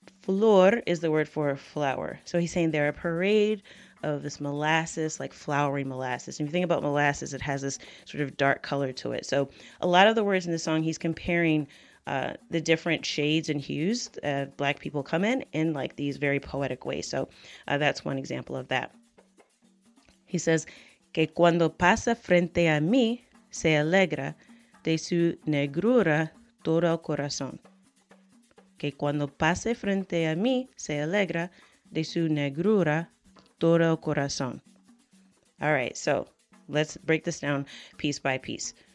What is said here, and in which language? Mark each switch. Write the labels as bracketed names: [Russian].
[English] flor is the word for a flower. So he's saying they're a parade of this molasses, like flowery molasses. And if you think about molasses, it has this sort of dark color to it. So a lot of the words in the song, he's comparing the different shades and hues Black people come in like these very poetic ways. So that's one example of that. He says, [Spanish] que cuando pasa frente a mí, se alegra de su negrura todo el corazón. Que cuando pase frente a mí, se alegra de su negrura todo el corazón. [English] All right, so let's break this down piece by piece.